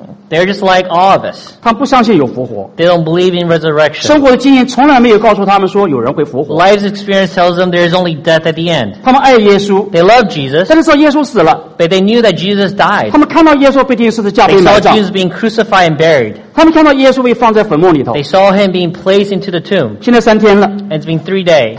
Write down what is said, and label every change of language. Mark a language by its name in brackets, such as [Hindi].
[English] They're just like all of us. [Chinese] 他们不相信有复活。 [English] They don't believe in resurrection. [Chinese] 生活的经验从来没有告诉他们说有人会复活。 [English] Life's experience tells them there's only death at the end. [Chinese] 他们爱耶稣。 [English] They love Jesus. [Chinese] 但是说耶稣死了。 [English] But they knew that Jesus died. They saw Jesus being crucified and buried. They saw him being placed into the tomb. And it's been 3 days.